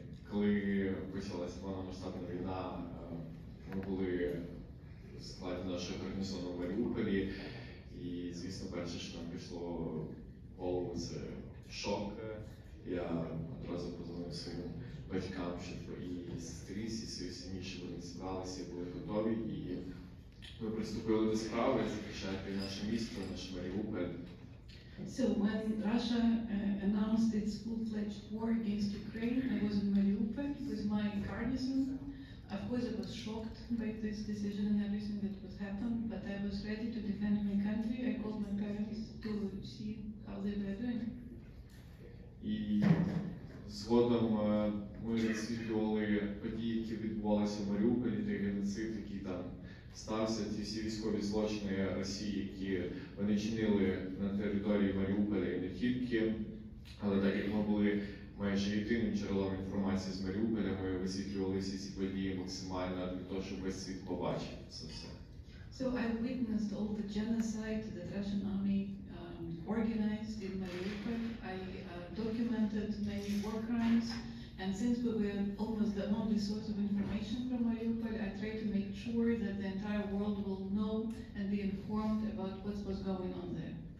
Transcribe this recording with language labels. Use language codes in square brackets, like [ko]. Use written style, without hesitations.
[uk] Коли почалася повномасштабна війна, ми були в складі нашого гарнізону в Маріуполі, і, звісно, перше, що нам пішло в голову, це шок. Я одразу подзвонив своїм батькам, щоб і сестрі, і свою сім'ю, щоб вони збиралися, були готові. І ми приступили до справи, захищаючи наше місто, наш Маріуполь. [en] So when Russia announced its full-fledged war against Ukraine, I was in Mariupol with my garrison. Of course, I was shocked by this decision and everything that was happened, but I was ready to defend my country. I called my parents to see how they were doing. [uk] І згодом ми розслідували події, які відбувалися в Маріуполі, той геноцид, який там стався, ті всі військові злочини Росії, які вони чинили на території Маріуполя і не тільки. Але так як ми були майже єдиним джерелом інформації з Маріуполя, ми висвітлювали всі ці події максимально для того, щоб весь світ побачив це все. [en] So I witnessed all the genocide that Russian army organized in Mariupol. I documented many war crimes. And since we were almost the only source of information from Mariupol, I tried to make sure that the entire world will know and be informed about what was going on there.